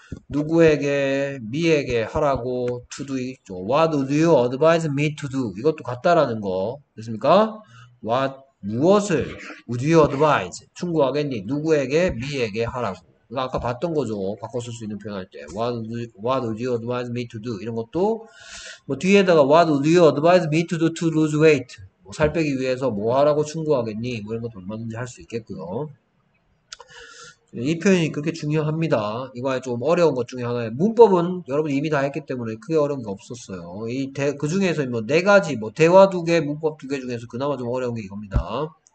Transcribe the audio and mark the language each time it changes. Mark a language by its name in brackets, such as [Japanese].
[Korean] 누구에게, 미에게 하라고, to do 있죠. [English] What would you advise me to do? [Korean] 이것도 같다라는 거. 됐습니까? [English] What, [Korean] 무엇을, [English] would you advise? [Korean] 충고하겠니? 누구에게, 미에게 하라고. 아까 봤던 거죠. 바꿔 쓸수 있는 표현할 때. [English] What would you advise me to do? [Korean] 이런 것도, 뭐, 뒤에다가, [English] What would you advise me to do to lose weight? [Korean] 살 빼기 위해서 뭐 하라고 충고하겠니? 뭐 이런 것도 얼마든지 할수 있겠고요. 이 표현이 그렇게 중요합니다. 이거에 좀 어려운 것 중에 하나예요. 문법은 여러분 이미 다 했기 때문에 크게 어려운 게 없었어요. 그 중에서 뭐네 가지, 뭐 대화 두 개, 문법 두개 중에서 그나마 좀 어려운 게 이겁니다.